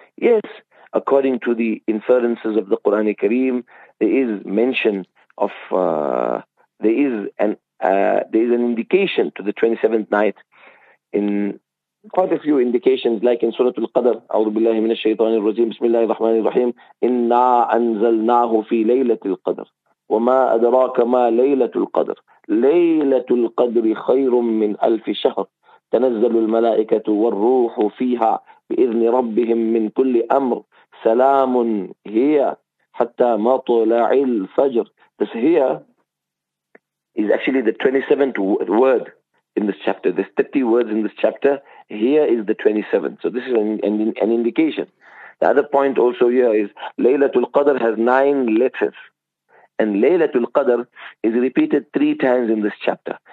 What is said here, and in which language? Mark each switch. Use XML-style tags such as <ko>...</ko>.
<en>Yes, according to the inferences of the Qur'an al-Kareem, there is mention of, there is an indication to the 27th night in quite a few indications, like in Surah Al-Qadr,</en> <ar>أعوذ بالله من الشيطان الرجيم, بسم الله الرحمن الرحيم, إِنَّا أَنزَلْنَاهُ فِي لَيْلَةِ الْقَدْرِ وَمَا أَدْرَاكَ مَا لَيْلَةُ الْقَدْرِ لَيْلَةُ الْقَدْرِ خَيْرٌ مِّنْ أَلْفِ شَهْرٍ تنزل الملائكة والروح فيها بإذن ربهم من كل أمر، سلام هي حتى مطلع الفجر.</ar> <en>This here is actually the 27th word in this chapter. There's 30 words in this chapter. Here is the 27th. So this is an indication. The other point also here is Laylatul Qadr has 9 letters. And Laylatul Qadr is repeated 3 times in this chapter.</en>